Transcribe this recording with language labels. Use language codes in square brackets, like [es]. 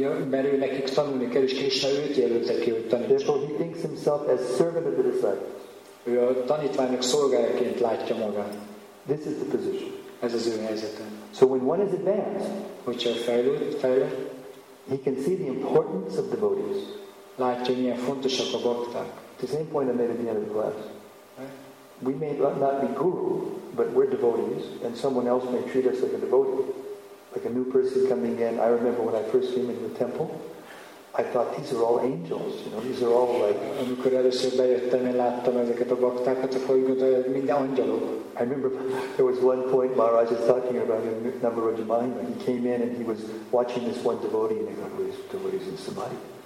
[hu] Mert ő nekik tanulni kell, és Krishna őt jelölte ki, hogy tanítson. [en] Therefore he thinks himself as servant of the disciples. [hu] Ő a tanítványok szolgájaként látja magát. [en] This is the position. [hu] Ez az ő helyzete. [en] So when one is advanced, [hu] hogyha fejlődik, [en] he can see the importance of devotees. [hu] Látja, milyen fontosak a bakták. [en] The same point I made at the end of the class. We may not be guru, but we're devotees, and someone else may treat us like a devotee, like a new person coming in. I remember when I first came into the temple, I thought these are all angels, you know, these are all like. [hu] Amikor először bejöttem, én láttam ezeket a baktákat, akkor úgy gondoltam, hogy minden angyalok. [en] I remember there was one point Maharaj was talking about in Navaraja Mahima. He came in and he was watching this one devotee, and he thought, "Who is devotees in Samadhi?"